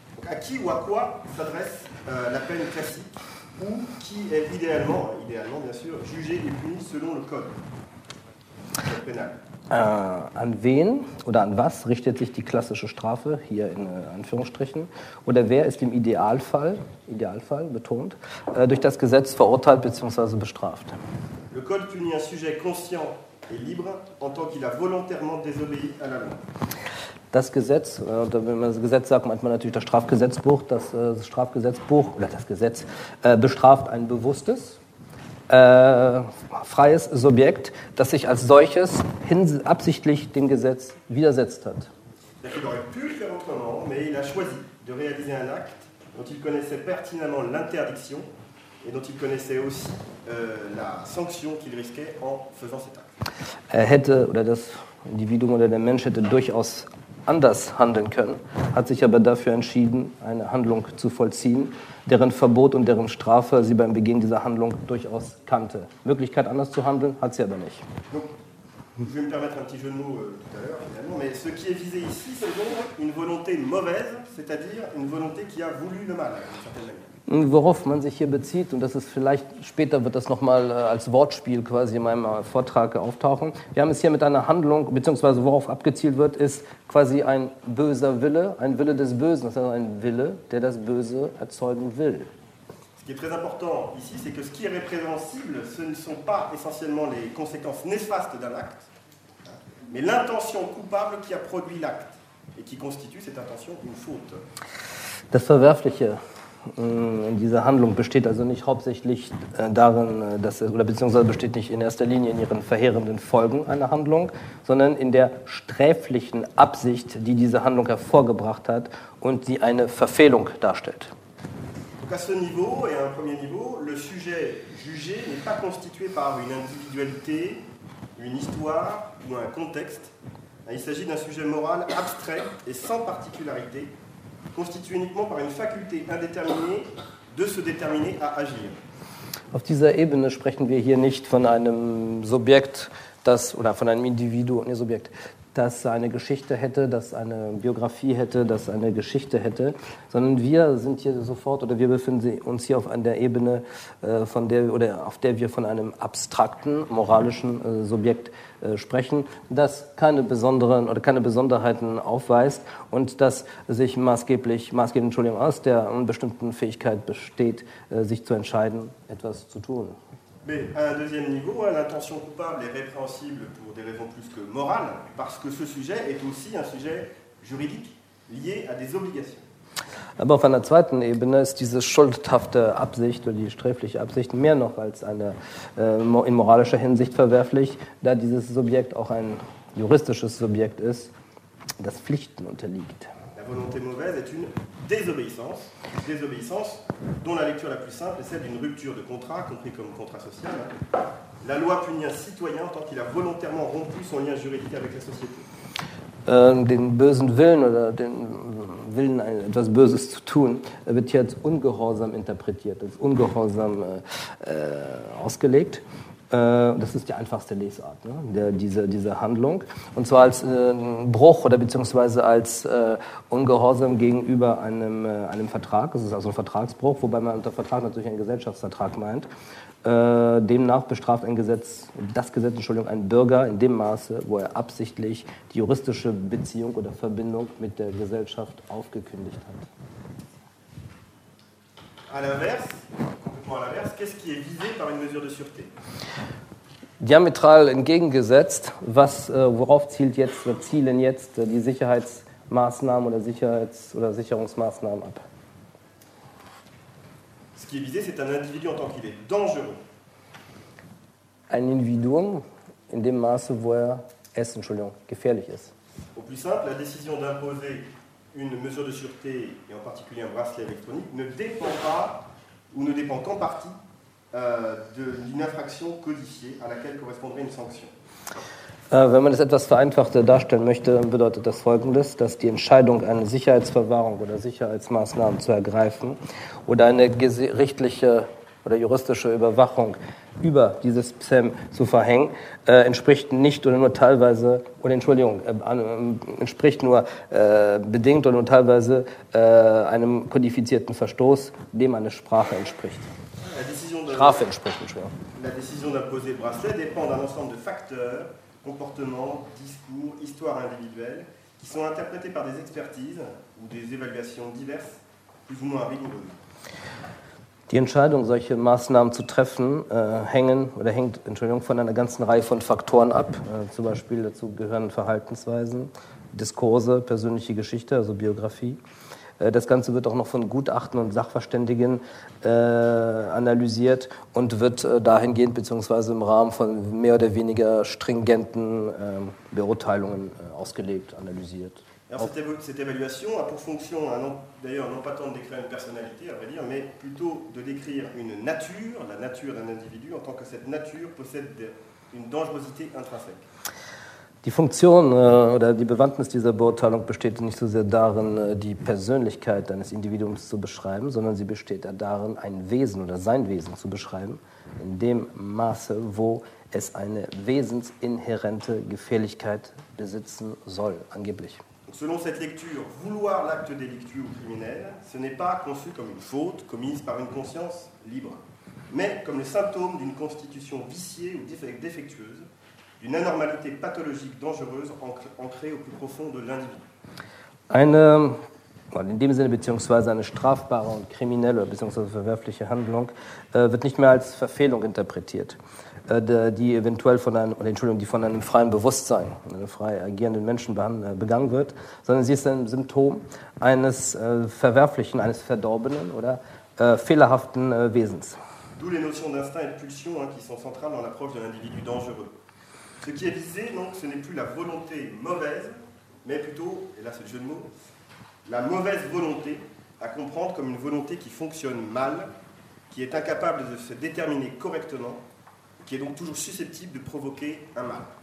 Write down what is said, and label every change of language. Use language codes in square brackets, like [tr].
[fr] A qui ou à quoi s'adresse la peine classique? Ou qui est idéalement bien sûr, jugé et puni selon le code pénal. [de] An wen oder an was richtet sich die klassische Strafe, hier in Anführungsstrichen, oder wer ist im Idealfall betont, durch das Gesetz verurteilt bzw. bestraft? [fr] Le code punit un sujet conscient et libre en tant qu'il a volontairement désobéi à la loi. [de] Das Gesetz, oder wenn man das Gesetz sagt, meint man natürlich das Gesetz bestraft ein bewusstes, freies Subjekt, das sich als solches absichtlich dem Gesetz widersetzt hat. [fr] Il aurait pu le faire autrement, mais il a choisi de réaliser un acte dont il connaissait pertinemment l'interdiction et dont il connaissait aussi la sanction qu'il risquait en faisant cet acte. [de] Er hätte, oder das Individuum oder der Mensch hätte durchaus anders handeln können, hat sich aber dafür entschieden, eine Handlung zu vollziehen, deren Verbot und deren Strafe sie beim Beginn dieser Handlung durchaus kannte. Möglichkeit, anders zu handeln, hat sie aber nicht. [fr] Je vais me permettre un petit jeu de mots tout à l'heure, évidemment, mais ce qui est visé ici, c'est donc une volonté mauvaise, c'est-à-dire une volonté qui a voulu le mal. [de] Worauf man sich hier bezieht, und das ist vielleicht, später wird das nochmal als Wortspiel quasi in meinem Vortrag auftauchen. Wir haben es hier mit einer Handlung, beziehungsweise worauf abgezielt wird, ist quasi ein böser Wille, ein Wille des Bösen. Das heißt, ein Wille, der das Böse erzeugen will. [fr] Ce qui est très important ici, c'est que ce qui est répréhensible, ce ne sont pas essentiellement les conséquences néfastes d'un acte, mais l'intention coupable qui a produit l'acte et qui constitue cette intention une faute. [de] Das Verwerfliche in dieser Handlung besteht also nicht hauptsächlich darin, dass es, oder beziehungsweise besteht nicht in erster Linie in ihren verheerenden Folgen einer Handlung, sondern in der sträflichen Absicht, die diese Handlung hervorgebracht hat und die eine Verfehlung darstellt. [fr] Donc à ce niveau et à un premier niveau, le sujet jugé n'est pas constitué par une individualité, une histoire ou un contexte. Il s'agit d'un sujet moral abstrait et sans particularité. Constitué uniquement par une faculté indéterminée de se déterminer à agir. [de] Auf dieser Ebene sprechen wir hier nicht von einem Subjekt, das, oder von einem Individuum, nee, Subjekt, das eine Geschichte hätte, das eine Biografie hätte, das eine Geschichte hätte, sondern wir sind hier sofort, oder wir befinden uns hier auf einer Ebene, von der, oder auf der wir von einem abstrakten, moralischen Subjekt sprechen, das keine besonderen oder keine Besonderheiten aufweist und das sich maßgeblich aus der bestimmten Fähigkeit besteht, sich zu entscheiden, etwas zu tun. [fr] Mais à un deuxième niveau, l'intention coupable est répréhensible pour des raisons plus que morales, parce que ce sujet est aussi un sujet juridique lié à des obligations. [de] Aber auf einer zweiten Ebene ist diese schuldhafte Absicht oder die sträfliche Absicht mehr noch als eine in moralischer Hinsicht verwerflich, da dieses Subjekt auch ein juristisches Subjekt ist, das Pflichten unterliegt. [fr] La volonté mauvaise est une désobéissance dont la lecture la plus simple est celle d'une rupture de contrat, compris comme contrat social. La loi punit un citoyen tant qu'il a volontairement rompu son lien juridique avec la société. [de] Den bösen Willen oder den Willen, etwas Böses zu tun, wird hier als ungehorsam interpretiert, als ungehorsam ausgelegt. Das ist die einfachste Lesart, ne? diese Handlung. Und zwar als Bruch oder beziehungsweise als Ungehorsam gegenüber einem Vertrag. Es ist also ein Vertragsbruch, wobei man unter Vertrag natürlich einen Gesellschaftsvertrag meint. Demnach bestraft das Gesetz, einen Bürger in dem Maße, wo er absichtlich die juristische Beziehung oder Verbindung mit der Gesellschaft aufgekündigt hat. [fr] À l'inverse, qu'est-ce qui est visé par une mesure de sûreté? [de] Diametral entgegengesetzt, worauf zielen jetzt die Sicherheitsmaßnahmen oder Sicherungsmaßnahmen ab? [fr] Ce qui est visé, c'est un individu en tant qu'il est dangereux. [de] Ein Individuum in dem Maße, wo er gefährlich ist. [fr] Au plus simple, la décision d'imposer une mesure de sûreté et en particulier un bracelet électronique ne dépend pas ou ne dépend qu'en partie d'une infraction codifiée à laquelle correspondrait une sanction. [de] Wenn man das etwas vereinfachter darstellen möchte, bedeutet das Folgendes, dass die Entscheidung, eine Sicherheitsverwahrung oder Sicherheitsmaßnahmen zu ergreifen oder eine gerichtliche oder juristische Überwachung über dieses PSEM zu verhängen, entspricht nur bedingt oder nur teilweise einem kodifizierten Verstoß, dem eine Sprache entspricht. Strafe entspricht, Entschuldigung. [fr] La décision d'imposer bracelet dépend d'un ensemble de facteurs, comportement, discours, histoire individuelle, qui sont interprétés par des expertises ou des évaluations diverses, plus ou moins rigoureuses. [de] Die Entscheidung, solche Maßnahmen zu treffen, hängt von einer ganzen Reihe von Faktoren ab. Zum Beispiel dazu gehören Verhaltensweisen, Diskurse, persönliche Geschichte, also Biografie. Das Ganze wird auch noch von Gutachten und Sachverständigen analysiert und wird dahingehend beziehungsweise im Rahmen von mehr oder weniger stringenten Beurteilungen ausgelegt, analysiert. [fr] Alors cette évaluation a pour fonction, d'ailleurs non pas tant de décrire une personnalité, à vrai dire, mais plutôt de décrire une nature, la nature d'un individu, en tant que cette nature possède une dangerosité intrinsèque. [de] Die Funktion oder die Bewandtnis dieser Beurteilung besteht nicht so sehr darin, die Persönlichkeit eines Individuums zu beschreiben, sondern sie besteht darin, ein Wesen oder sein Wesen zu beschreiben, in dem Maße, wo es eine wesensinhärente Gefährlichkeit besitzen soll, angeblich. [fr] Selon cette lecture, vouloir l'acte délictueux ou criminel, ce n'est pas conçu comme une faute commise par une conscience libre, mais comme le symptôme d'une constitution viciée ou défectueuse, d'une anormalité pathologique dangereuse ancrée au plus profond de l'individu. [de] In dem Sinne, beziehungsweise eine strafbare und kriminelle beziehungsweise verwerfliche Handlung wird nicht mehr als Verfehlung interpretiert, die von einem freien Bewusstsein, einem frei agierenden Menschen begangen wird, sondern sie ist ein Symptom eines verwerflichen, eines verdorbenen oder fehlerhaften Wesens. [fr] D'où les notions d'instinct et de pulsion, qui sont centrales dans l'approche de l'individu dangereux. Ce qui est visé, donc, ce n'est plus la volonté mauvaise, mais plutôt, et là c'est le jeu de mots, la mauvaise volonté à comprendre comme une volonté qui fonctionne mal, qui est incapable de se déterminer correctement, qui est donc toujours susceptible de provoquer un mal.